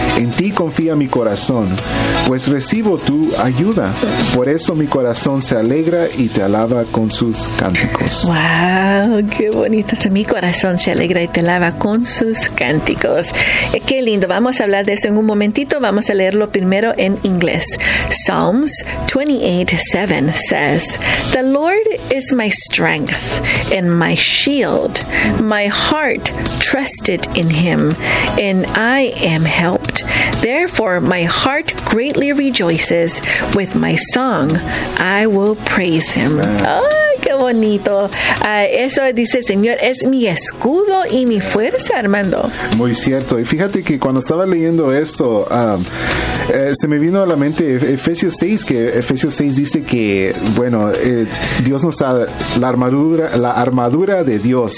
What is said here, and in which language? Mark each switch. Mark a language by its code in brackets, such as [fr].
[es] En ti confía mi corazón, pues recibo tu ayuda. Por eso mi corazón se alegra y te alaba con sus cánticos. ¡Wow! ¡Qué bonito! Mi corazón se alegra y te alaba con sus cánticos. ¡Qué lindo! Vamos a hablar de esto en un momentito. Vamos a leerlo primero en inglés. [en] Psalms 28:7 says, the Lord is my strength and my shield. My heart trusted in him and I am helped. Therefore, my heart greatly rejoices. With my song, I will praise him. [es] ¡Ay, qué bonito! Eso dice, Señor, es mi escudo y mi fuerza, Armando. Muy cierto. Y fíjate que cuando estaba leyendo eso, se me vino a la mente Efesios 6, que Efesios 6 dice que, bueno, Dios nos da la armadura de Dios.